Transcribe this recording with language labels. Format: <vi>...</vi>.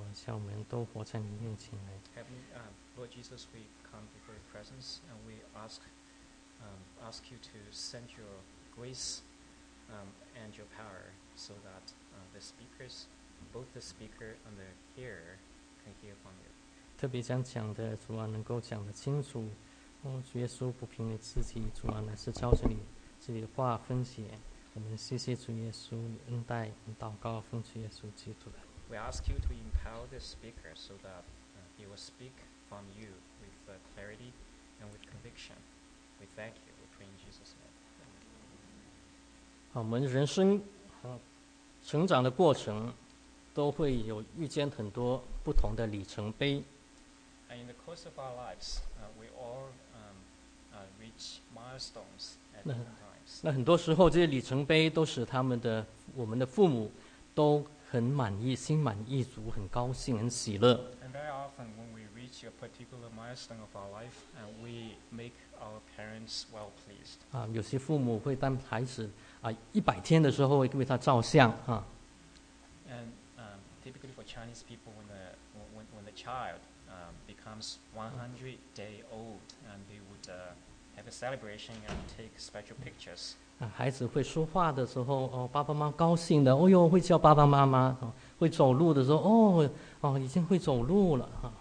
<zh>叫我们都活在你面前来。</zh> <en>Heavenly, Lord Jesus, we come before your presence and we ask, ask you to send your grace, and your power so that, the speakers, both the speaker and the hearer can hear from you.</en> <zh>特别想讲的，主啊，能够讲得清楚。哦，主耶稣不凭你自己，主啊，乃是照着你自己的话分解。我们谢谢主耶稣你恩待，祷告奉主耶稣基督的。</zh> <en>We ask you to empower the speaker so that, he will speak from you with, clarity and with conviction. We thank you. We pray in Jesus' name.</en> <zh>好，我们人生成长的过程都会有遇见很多不同的里程碑。</zh> <en>And in the course of our lives, we all, reach milestones at different times.</en> <zh>那很多时候这些里程碑都使他们的我们的父母都很满意，心满意足，很高兴，很喜乐。</zh> <en>And very often when we reach a particular milestone of our life, we make our parents well pleased.</en> <zh>啊，有些父母会当孩子啊100天的时候会为他照相啊。</zh> <en>And, typically for Chinese people, when the child, becomes 100 day old, and they would, have a celebration and take special pictures.</en> <zh>啊，孩子会说话的时候，哦，爸爸妈妈高兴的，哦哟，会叫爸爸妈妈，哦，会走路的时候，哦，哦，已经会走路了，哈。</zh>